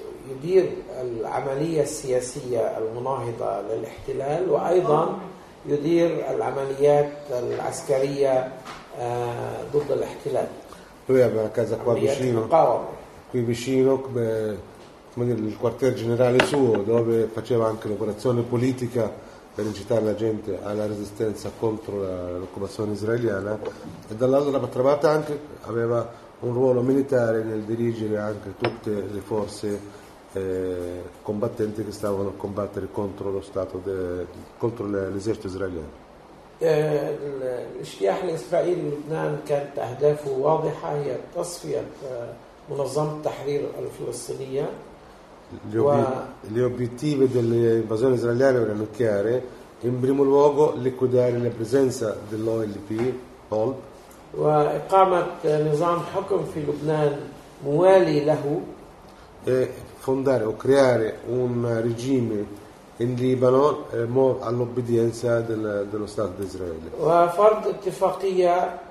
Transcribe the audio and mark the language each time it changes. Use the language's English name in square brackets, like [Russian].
[Arabic] يدير العملية السياسية المناهضة للاحتلال وأيضا يدير العمليات العسكرية ضد الاحتلال. [Italian] Lui aveva casa qua vicino. Qui vicino, come dire, il quartier generale suo, dove faceva anche l'operazione politica per incitare la gente alla resistenza contro l'occupazione israeliana. E dall'altra parte anche aveva un ruolo militare nel dirigere anche tutte le forze combattenti che stavano a combattere contro lo Stato contro l'esercito israeliano. [Arabic] الاجتياح الإسرائيلي لبنان كانت أهدافه واضحة هي تصفية منظمة التحرير الفلسطينية. [Italian] le obiettive dell'invasione israeliana erano chiare: in primo luogo liquidare la presenza dell'OLP, OLP, e fondare o creare un regime in Libano all'obbedienza dello Stato di Israele.